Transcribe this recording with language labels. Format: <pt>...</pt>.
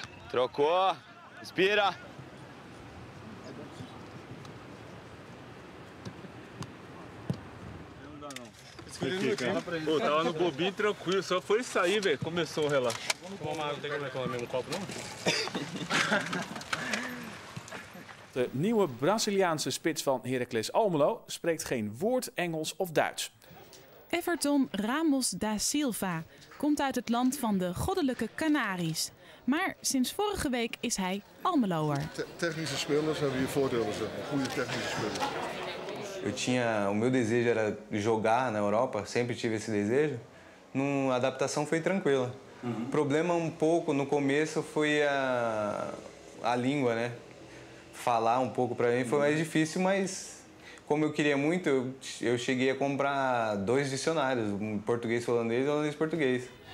<pt>Trocou, respira. Pô, tava no bobinho tranquilo, só foi isso aí, velho. Começou o relaxo. Toma água, não tem como é que eu tomar mesmo copo, não?</pt> <nl>De nieuwe Braziliaanse spits van Heracles Almelo spreekt geen woord Engels of Duits. Everton Ramos da Silva komt uit het land van de goddelijke Canaries. Maar sinds vorige week is hij Almeloer. Technische spelers hebben je voordelen, zeg maar. Goede technische spelers.</nl> <pt>O meu desejo era jogar na Europa, sempre tive esse desejo. A adaptação foi tranquila. O problema um pouco no começo foi a língua, né? Falar um pouco para mim foi mais difícil, mas como eu queria muito, eu cheguei a comprar dois dicionários, um português-holandês e um holandês-português.</pt>